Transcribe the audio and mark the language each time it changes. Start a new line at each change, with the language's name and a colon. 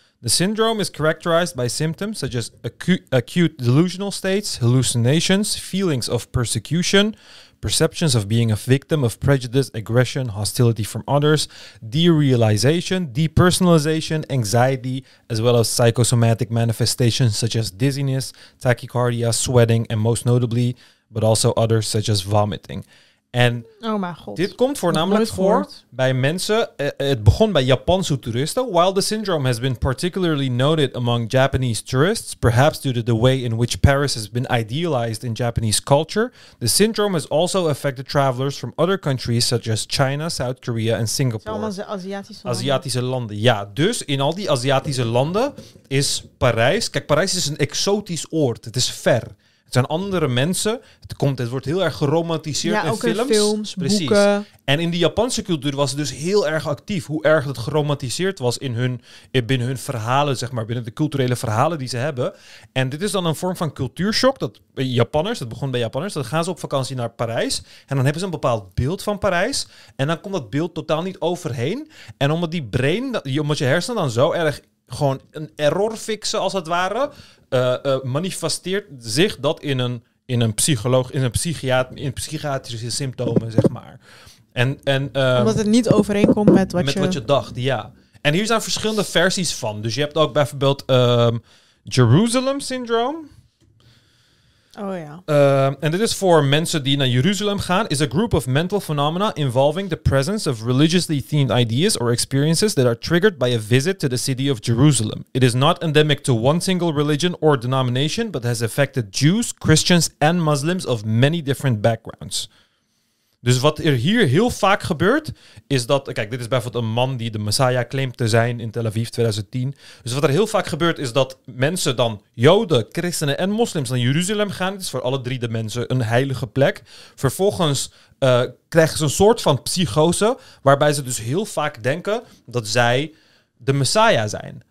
English: The syndrome is characterized by symptoms such as acute delusional states, hallucinations, feelings of persecution, perceptions of being a victim of prejudice, aggression, hostility from others, derealization, depersonalization, anxiety, as well as psychosomatic manifestations such as dizziness, tachycardia, sweating, and most notably, but also others such as vomiting. En
Dutch: oh mijn god. Dit komt voornamelijk voor bij mensen. Het begon bij Japanse toeristen.
English: While the syndrome has been particularly noted among Japanese tourists, perhaps due to the way in which Paris has been idealized in Japanese culture, the syndrome has also affected travelers from other countries such as China, South Korea and Singapore.
Dutch: Zijn allemaal Aziatische landen. Aziatische landen, ja. Dus in al die Aziatische landen is Parijs... Kijk, Parijs is een exotisch oord. Het is ver. Het zijn andere mensen. Het wordt heel erg geromantiseerd in films. Ja, ook in films, precies. Boeken. En in de Japanse cultuur was het dus heel erg actief. Hoe erg het geromantiseerd was in hun, binnen hun verhalen, zeg maar. Binnen de culturele verhalen die ze hebben. En dit is dan een vorm van cultuurshock. Dat Japanners, dat begon bij Japanners. Dan gaan ze op vakantie naar Parijs. En dan hebben ze een bepaald beeld van Parijs. En dan komt dat beeld totaal niet overheen. En omdat die brain, omdat je hersenen dan zo erg... Gewoon een error fixen, als het ware. Manifesteert zich dat in psychiatrische symptomen, zeg maar. Omdat het niet overeenkomt met wat, wat je dacht, ja. En hier zijn verschillende versies van. Dus je hebt ook bijvoorbeeld Jerusalem syndroom. Oh ja. En dit is voor mensen die naar Jeruzalem gaan.
English: Is a group of mental phenomena involving the presence of religiously themed ideas or experiences that are triggered by a visit to the city of Jerusalem. It is not endemic to one single religion or denomination, but has affected Jews, Christians and Muslims of many different backgrounds.
Dutch: Dus wat er hier heel vaak gebeurt, is dat... Kijk, dit is bijvoorbeeld een man die de Messiah claimt te zijn in Tel Aviv 2010. Dus wat er heel vaak gebeurt, is dat mensen dan, Joden, Christenen en Moslims, naar Jeruzalem gaan. Het is voor alle drie de mensen een heilige plek. Vervolgens krijgen ze een soort van psychose, waarbij ze dus heel vaak denken dat zij de Messiah zijn.